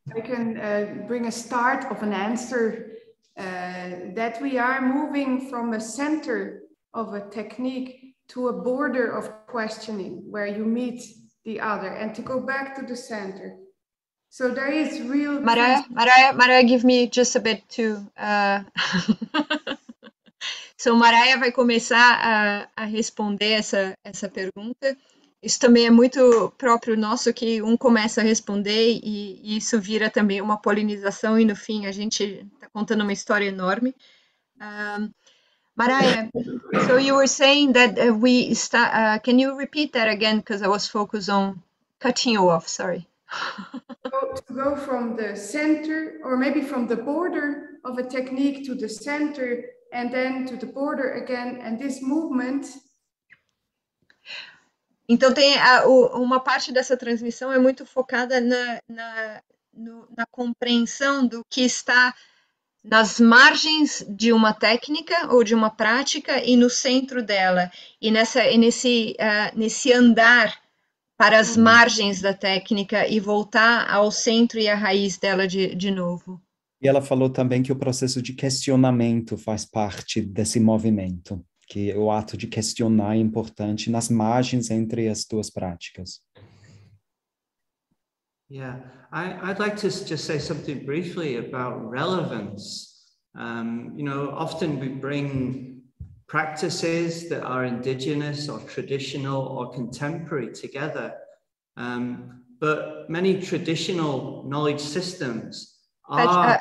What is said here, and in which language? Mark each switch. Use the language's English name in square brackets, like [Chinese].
[English] I can bring a start of an answer that we are moving from a center of a technique to a border of questioning where you meet the other and to go back to the center. So there is real... Maraia, give me just a bit to... [Portuguese] So Maraia vai começar a responder essa pergunta. Isso também é muito próprio nosso, que um começa a responder e isso vira também uma polinização e no fim a gente está contando uma história enorme. [English] Maraia, so you were saying that we start, can you repeat that again? Because I was focused on cutting you off, sorry. To go from the center, or maybe from the border of a technique to the center, and then to the border again, and this movement. [Portuguese] Então, tem uma parte dessa transmissão é muito focada na compreensão do que está nas margens de uma técnica ou de uma prática e no centro dela. E nesse andar para as margens da técnica e voltar ao centro e à raiz dela de novo. E ela falou também que o processo de questionamento faz parte desse movimento. Que o ato de questionar é importante nas margens entre as duas práticas. [English] Yeah, I'd like to just say something briefly about relevance. You know, often we bring practices that are indigenous or traditional or contemporary together, but many traditional knowledge systems are...